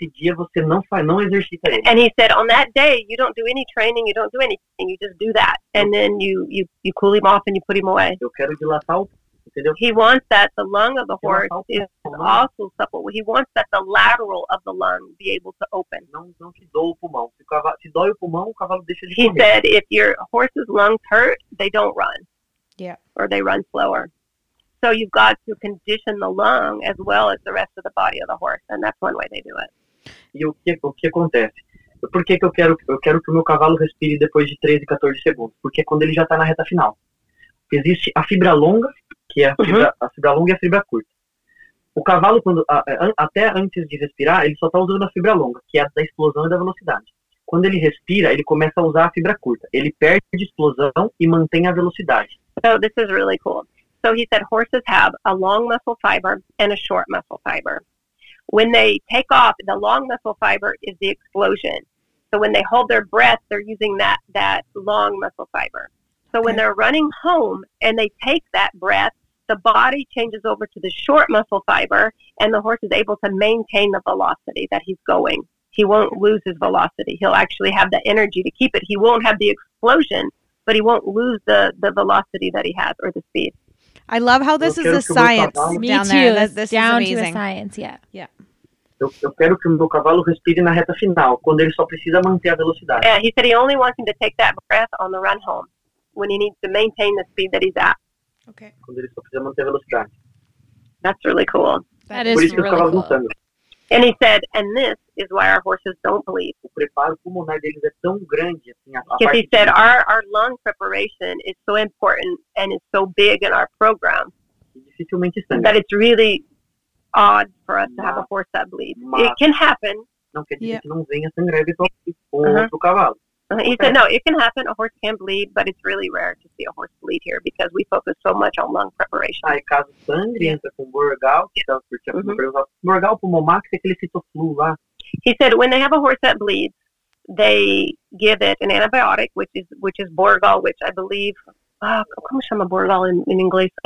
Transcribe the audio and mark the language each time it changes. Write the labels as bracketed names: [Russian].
[Portuguese] Nesse dia você não exercita ele. [English] And he said, on that day, you don't do any training, you don't do anything, you just do that. And then you cool him off and you put him away. [Portuguese] Eu quero dilatar o... Entendeu? [English] He wants that the lung of the horse is also supple. He wants that the lateral of the lung be able to open. [Portuguese] Não que doa o pulmão. Se dói o pulmão, o cavalo deixa de correr. [English] He said, if your horse's lungs hurt, they don't run. Yeah. Or they run slower. So you've got to condition the lung as well as the rest of the body of the horse, and that's one way they do it. [Portuguese] E o que acontece? Por que que eu quero que o meu cavalo respire depois de 13, 14 segundos? Porque é quando ele já está na reta final. Existe a fibra longa, que é a fibra, uhum, a fibra longa e a fibra curta. O cavalo, quando, até antes de respirar, ele só está usando a fibra longa, que é a da explosão e da velocidade. Quando ele respira, ele começa a usar a fibra curta. Ele perde a explosão e mantém a velocidade. [English] So this is really cool. So he said horses have a long muscle fiber and a short muscle fiber. When they take off, the long muscle fiber is the explosion. So when they hold their breath, they're using that long muscle fiber. So when they're running home and they take that breath, the body changes over to the short muscle fiber and the horse is able to maintain the velocity that he's going. He won't lose his velocity. He'll actually have the energy to keep it. He won't have the explosion, but he won't lose the velocity that he has or the speed. I love how this is a science. Me too. This is amazing. Down to a science, yeah. [Portuguese] Eu quero que o meu cavalo respire na reta final, quando ele só precisa manter a velocidade. [English] Yeah, he said he only wants him to take that breath on the run home, when he needs to maintain the speed that he's at. Okay. [Portuguese] Quando ele só precisa manter a velocidade. [English] That's really cool. That is really cool. [Portuguese] Por isso que eu cavalo cool. [English] And he said, and this is why our horses don't bleed. [Portuguese] O preparo pulmonar deles é tão grande, assim, [English] because he said, our lung preparation is so important and it's so big in our program that it's really odd for us to have a horse that bleeds. It can happen. [Portuguese] Não quer dizer que não venha sangrar pro cavalo. [English] He said, no, it can happen. A horse can bleed, but it's really rare to see a horse bleed here because we focus so much on lung preparation. [Portuguese] Aí, caso sangre entra com Burgal, que está por exemplo, Burgal pulmomax, aquele citoflu lá. [English] He said, when they have a horse that bleeds, they give it an antibiotic, which is Burgal, which I believe, [Portuguese] como chama [English] Burgal in English?